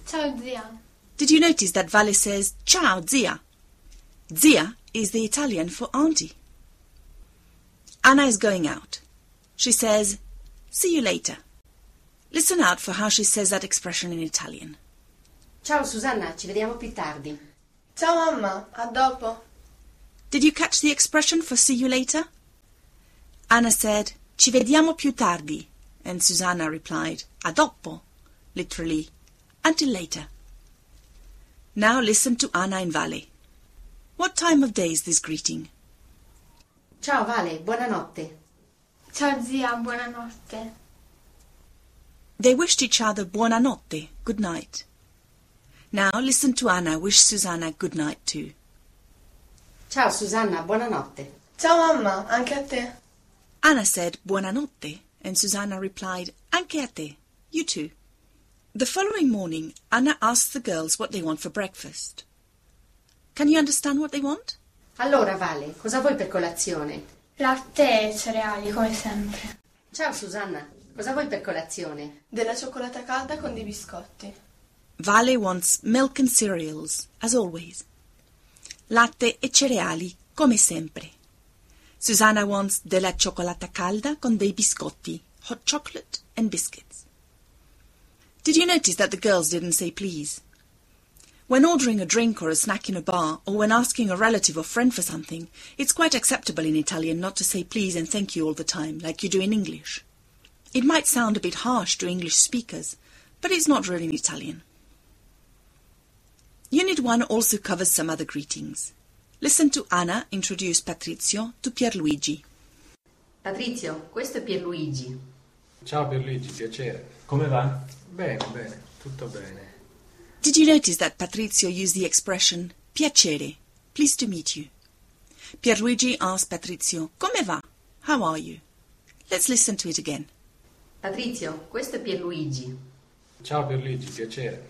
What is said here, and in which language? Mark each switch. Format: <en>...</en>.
<it>Ciao, zia.</it> <en>Did you notice that Vale says,</en> <it>ciao, zia?</it> <en>Zia is the Italian for auntie. Anna is going out. She says, see you later. Listen out for how she says that expression in Italian.</en> <it>Ciao Susanna, ci vediamo più tardi. Ciao mamma, a dopo.</it> <en>Did you catch the expression for see you later? Anna said,</en> <it>ci vediamo più tardi.</it> <en>And Susanna replied,</en> <it>a dopo,</it> <en>literally, until later. Now listen to Anna and Vale. What time of day is this greeting?</en> <it>Ciao Vale, buonanotte. Ciao zia, buonanotte.</it> <en>They wished each other buonanotte, good night. Now listen to Anna wish Susanna good night too.</en> <it>Ciao Susanna, buonanotte. Ciao mamma, anche a te.</it> <en>Anna said buonanotte and Susanna replied</en> <it>anche a te,</it> <en>you too. The following morning, Anna asked the girls what they want for breakfast. Can you understand what they want?</en> <it>Allora Vale, cosa vuoi per colazione? Latte e cereali, come sempre. Ciao Susanna, cosa vuoi per colazione? Della cioccolata calda con dei biscotti.</it> <en>Vale wants milk and cereals, as always.</en> <it>Latte e cereali, come sempre.</it> <en>Susanna wants</en> <it>della cioccolata calda con dei biscotti,</it> <en>hot chocolate and biscuits. Did you notice that the girls didn't say please? When ordering a drink or a snack in a bar, or when asking a relative or friend for something, it's quite acceptable in Italian not to say please and thank you all the time, like you do in English. It might sound a bit harsh to English speakers, but it's not really in Italian. Unit 1 also covers some other greetings. Listen to Anna introduce Patrizio to Pierluigi.</en> <it>Patrizio, questo è Pierluigi. Ciao Pierluigi, piacere. Come va? Bene, bene, tutto bene.</it> <en>Did you notice that Patrizio used the expression piacere, pleased to meet you? Pierluigi asked Patrizio,</en> <it>come va?</it> <en>How are you? Let's listen to it again.</en> <it>Patrizio, questo è Pierluigi. Ciao Pierluigi, piacere.</it>